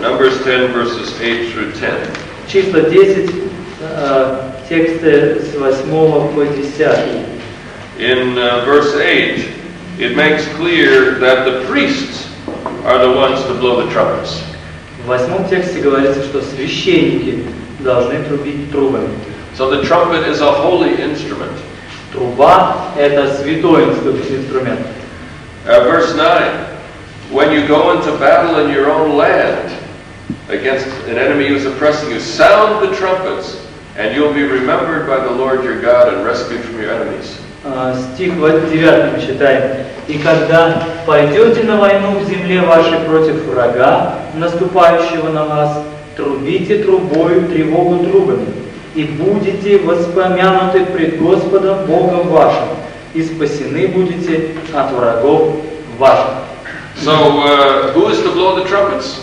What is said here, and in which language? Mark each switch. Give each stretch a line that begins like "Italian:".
English: Numbers 10, verses 8 through 10.
Russian: Числа 10, тексты с 8 по 10.
English: In verse 8, it makes clear that the priests are the ones to blow the trumpets.
Russian: В 8 тексте говорится, что священники должны трубить трубами.
English: So the trumpet is a holy instrument.
Russian: Труба это святой инструмент.
English: Verse 9. When you go into battle in your own land against an enemy who is oppressing you, sound the trumpets, and you'll be remembered by the Lord your God and rescued from your enemies.
Russian: Стих 9 мы читаем. И когда пойдете на войну в земле вашей против врага, наступающего на вас, трубите трубою тревогу трубами, и будете воспомянуты пред Господом Богом вашим. И спасены будете от врагов ваших.
English: So, who is to blow the trumpets?